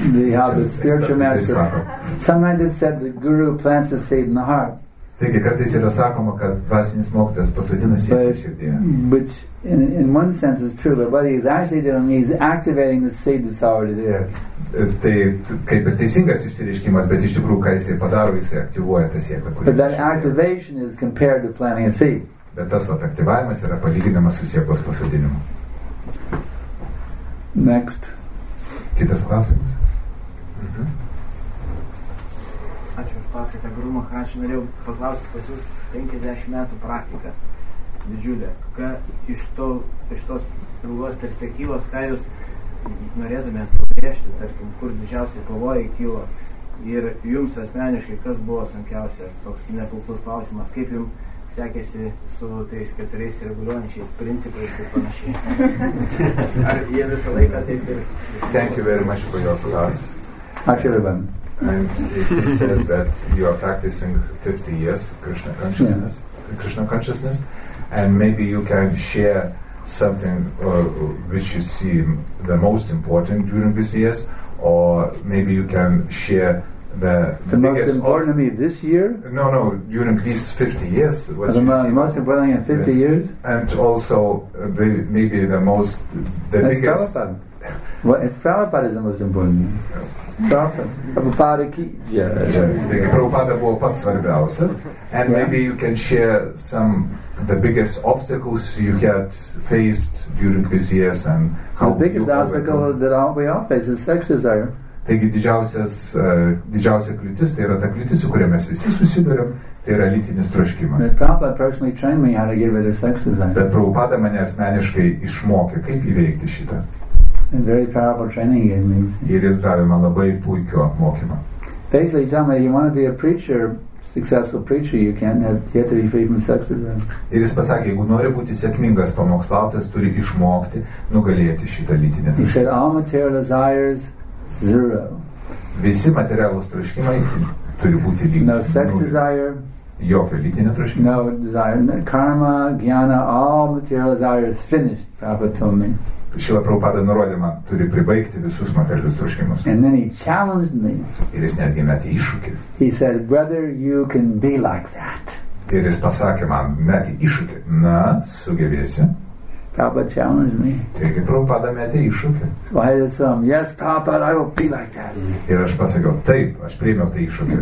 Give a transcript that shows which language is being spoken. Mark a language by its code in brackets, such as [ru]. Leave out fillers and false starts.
[en] Sometimes it said the guru plants a seed in the heart. [lt] Taigi, kartais yra sakoma, kad dvasinis mokytojas pasodina sėklą širdyje. [en] Which, in one sense, is true, but what he's actually doing, he's activating the seed that's already there. [lt] Tai kaip ir teisingas išsireiškimas, bet iš tikrųjų, ką jisai padaro, jisai aktyvuoja tą sėklą. [en] But that activation is compared to planting a seed. [lt] Bet tas vat aktyvavimas yra palyginamas su sėklos pasodinimu. [en] Next. [lt] Kitas klausimas. Ačiū už paskaitą, Guru Maharaj, norėjau paklausti pas jūs 50 metų praktiką didžiulę. Ką iš tos ilgos perspektyvos, ką jūs norėtumėt pabrėžti, tarkim, kur didžiausiai pavojai kilo ir jums asmeniškai kas buvo sunkiausia, toks nekuklus klausimas, kaip jums sekėsi su tais keturiais reguliuojančiais principais ir panašiai. Ar jie visą laiką taip ir... [en] Thank you very much for your class. [lt] Ačiū labai. [en] And it says that you are practicing 50 years Krishna consciousness, yeah. Krishna consciousness, and maybe you can share something which you see the most important during these years, or maybe you can share the most important to me this year. No, no, during these 50 years. What you most see important in 50 years. And also maybe the most the That's biggest. Prabhupada. Well, it's Prabhupada is the most important. Yeah. Prabhupada ki [lt] Prabhupada buvo pats svarbiausias. [en] And maybe you can share some the biggest obstacles you had faced during these years and how the biggest obstacle that all we all face is sex desire. [lt] Taigi didžiausia kliūtis, tai yra ta kliūtis, su kuria mes visi susidurėm, tai yra lytinis troškimas. [en] But Prabhupada personally trained me how to get rid of sex desire. [lt] Bet Prabhupada mane asmeniškai išmokė, kaip įveikti šitą. [en] And very powerful training gave me. [lt] Ir jis davė man labai puikio apmokymą. [en] Basically, tell me, you want to be a preacher, successful preacher, you can't have, you have to be free from sex desire. [lt] Ir jis pasakė, jeigu nori būti sėkmingas pamokslautas, turi išmokti nugalėti šitą lytinę. [en] He said, all material desires, zero. [lt] Visi materialūs troškimai turi būti lygūs. [en] No sex desire. [lt] Jokio lytinio troškimo. [en] No desire. No karma, jnana, all material desires finished, Prabhupada told me. [lt] Šila Prabhupada nurodė man, turi pribaigti visus materialius troškimus. [en] And then he challenged me. [lt] Ir jis netgi metė iššūkį. [en] He said, brother, you can be like that. [lt] Ir jis pasakė man, metė iššūkį. Na, sugebėsi. [en] Prabhupada challenged me. [lt] Taigi Prabhupada metė iššūkį. [en] So I had to say, yes, Prabhupada, I will be like that. [lt] Ir aš pasakiau, taip, aš priėmiau tą iššūkį.